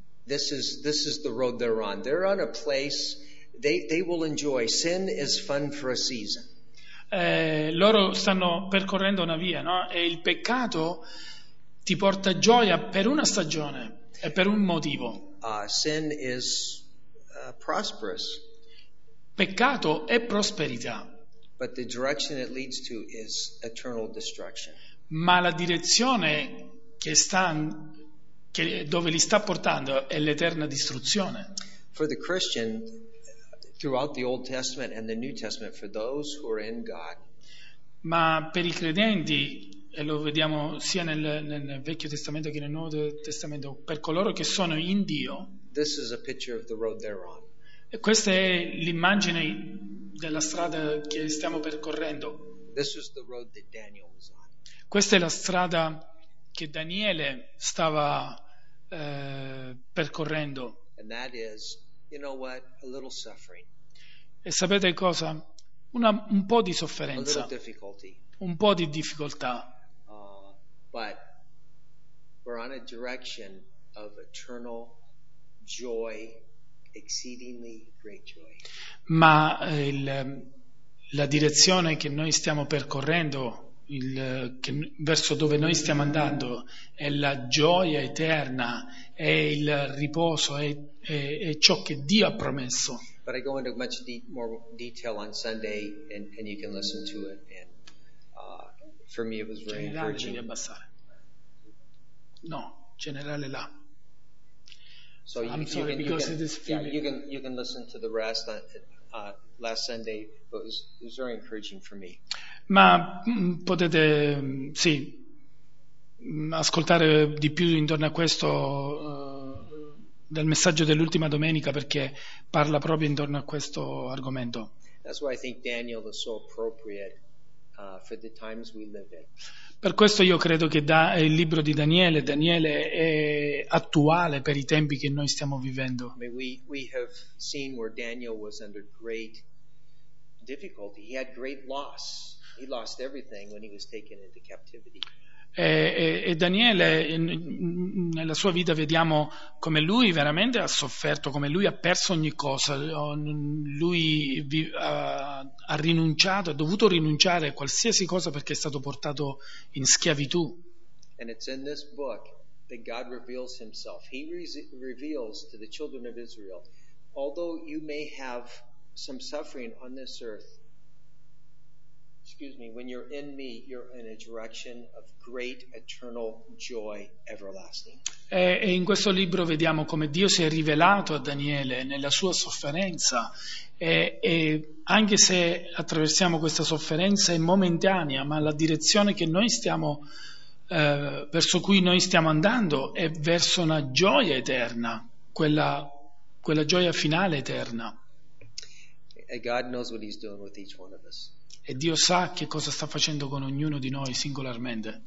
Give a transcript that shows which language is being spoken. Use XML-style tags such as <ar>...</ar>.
<en>this is the road they're on. They're on a place they will enjoy. Sin is fun for a season.</en> <it>Loro stanno percorrendo una via, no? E il peccato ti porta gioia per una stagione e per un motivo.</it> <en>Sin is prosperous,</en> <it>Peccato è prosperità.</it> <en>but the direction it leads to is eternal destruction.</en> <it>Ma la direzione dove li sta portando è l'eterna distruzione.</it> <en>For the Christian, throughout the Old Testament and the New Testament, for those who are in God,</en> <it>Ma per i credenti, e lo vediamo sia nel Vecchio Testamento che nel Nuovo Testamento, per coloro che sono in Dio,</it> <en>this is a picture of the road they're on.</en> <it>e questa è l'immagine della strada che stiamo percorrendo.</it> <en>This is the road that Daniel was on.</en> <it>Questa è la strada che Daniele stava percorrendo.</it> <en>And that is, you know what, a little suffering,</en> <it>E sapete cosa? Un po' di</it> <en>a little</en> <it>sofferenza,</it> <en>difficulty,</en> <it>un po' di difficoltà.</it> <en>but we're on a direction of eternal joy, exceedingly great joy.</en> <it>Ma la direzione che noi stiamo percorrendo, verso dove noi stiamo andando, è la gioia eterna, è il riposo, è ciò che Dio ha promesso.</it> <en>But I go into much more detail on Sunday, and you can listen to it. And for me, it was very</en> <it>Generale, devi</it> <en>encouraging.</en> <it>abbassare. No, generale là.</it> <en>So I'm sorry because it is filming. you can listen to the rest on last Sunday, but it was very encouraging for me.</en> <it>Ma potete, sì, ascoltare di più intorno a questo, del messaggio dell'ultima domenica, perché parla proprio intorno a questo argomento.</it> <en>That's why I think Daniel is so appropriate for the times we live in.</en> <it>Per questo io credo che il libro di Daniele è attuale per i tempi che noi stiamo vivendo.</it> <en>We have seen where Daniel was under great difficulty. He had great loss. He lost everything when he was taken into captivity.</en> <it>E Daniele, nella sua vita vediamo come lui veramente ha sofferto, come lui ha perso ogni cosa, lui ha rinunciato, ha dovuto rinunciare a qualsiasi cosa perché è stato portato in schiavitù.</it> <en>And it's in this book that God reveals himself. He reveals to the children of Israel, although you may have some suffering on this earth, excuse me, when you're in me, you're in a direction of great eternal joy everlasting.</en> <it>E in questo libro vediamo come Dio si è rivelato a Daniele nella sua sofferenza, e anche se attraversiamo questa sofferenza è momentanea, ma la direzione che noi stiamo, verso cui noi stiamo andando è verso una gioia eterna, quella gioia finale eterna.</it> <en>And God knows what he's doing with each one of us.</en> <it>E Dio sa che cosa sta facendo con ognuno di noi singolarmente.</it>